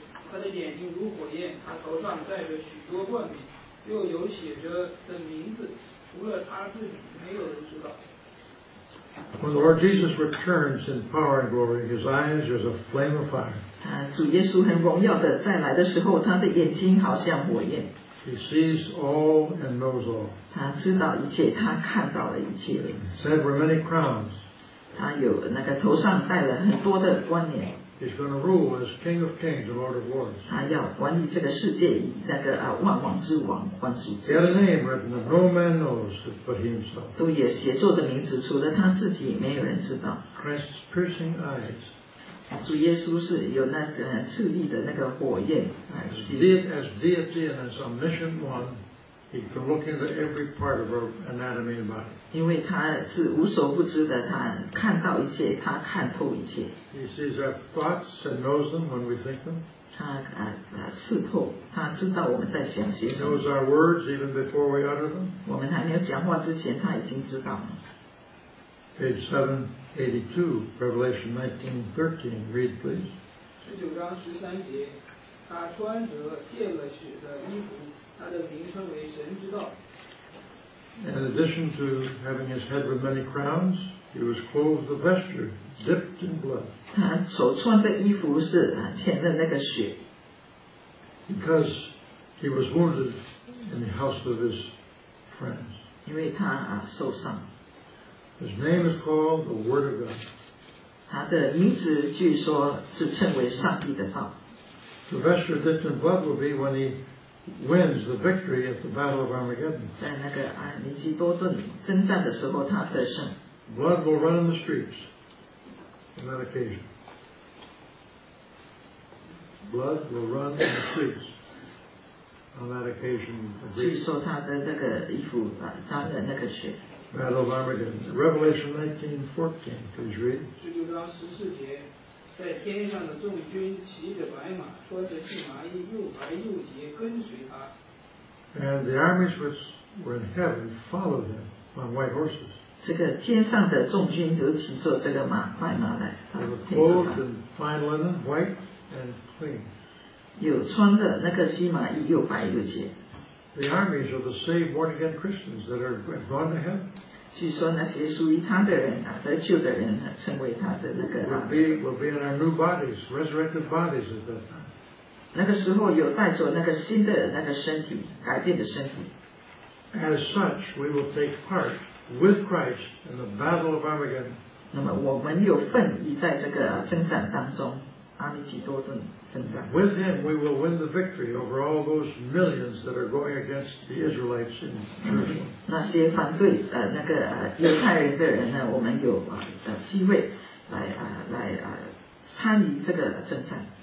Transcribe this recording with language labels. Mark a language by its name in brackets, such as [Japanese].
[Chinese] 他的眼睛如火焰，他头上戴着许多冠冕，又有写着的名字，除了他自己，没有人知道。 [English] When the Lord Jesus returns in power and glory, his eyes are as a flame of fire. [Chinese] 他主耶稣很荣耀的再来的时候，他的眼睛好像火焰。 [English] He sees all and knows all. [Chinese] 他知道一切，他看到了一切。 [English] His head were many crowns. [Chinese] 他有那个头上戴了很多的冠冕。 [English] He's going to rule as King of Kings and Lord of Lords. [Chinese] 他要管理这个世界，那个万王之王，万主之王。 [English] He had a name written that no man knows but himself. [Chinese] 都有写作的名字，除了他自己，没有人知道。 [English] Christ's piercing eyes. [Chinese] 主耶稣是有那个炽烈的那个火焰。 [English] As deity and as omniscient one, he can look into every part of our anatomy and body. [Chinese] 因为他是无所不知的，他看到一切，他看透一切。 [English] He sees our thoughts and knows them when we think them. [Chinese] 他刺透，他知道我们在想些什么。 [English] He knows our words even before we utter them. [Chinese] 我们还没有讲话之前，他已经知道了。 [English] Page 782, Revelation 19:13. Read, please. [Chinese] 19:13, 他穿着见了血的衣服，他的名称为神之道。 [English] In addition to having his head with many crowns, he was clothed with a vesture dipped in blood. [Chinese] 他所穿的衣服是浅的那个血。 [English] Because he was wounded in the house of his friends. [Chinese] 因为他受伤。 [English] His name is called the Word of God. [Chinese] 他的名字据说是称为上帝的道。 [English] The vesture dipped in blood will be when he wins the victory at the Battle of Armageddon. Blood will run in the streets on that occasion. Blood will run in the streets on that occasion. [Chinese] 据说他的那个衣服沾的那个血。 [English] Battle of Armageddon, Revelation 19:14. Please read. [Chinese] 十六章十四节，在天上的众军骑着白马，穿着细麻衣，又白又洁，跟随他。 [English] And the armies which were in heaven followed him on white horses. [Chinese] 这个天上的众军都骑着这个马，白马来，他陪着他。 [English] Clothed in fine linen, white and clean. [Chinese] 有穿的那个细麻衣，又白又洁。 [English] The armies are the saved, born again Christians that are gone to heaven. [Chinese] 据说那些属于他的人啊，得救的人啊，成为他的那个。 [English] Will be in our new bodies, resurrected bodies at that time. [Chinese] 那个时候有带着那个新的那个身体，改变的身体。 [English] As such, we will take part with Christ in the battle of Armageddon. [Chinese] 那么我们有份已在这个征战当中。 [English] With him, we will win the victory over all those millions that are going against the Israelites in Jerusalem. [Chinese] 那些反对那个犹太人的人呢？我们有机会来参与这个征战。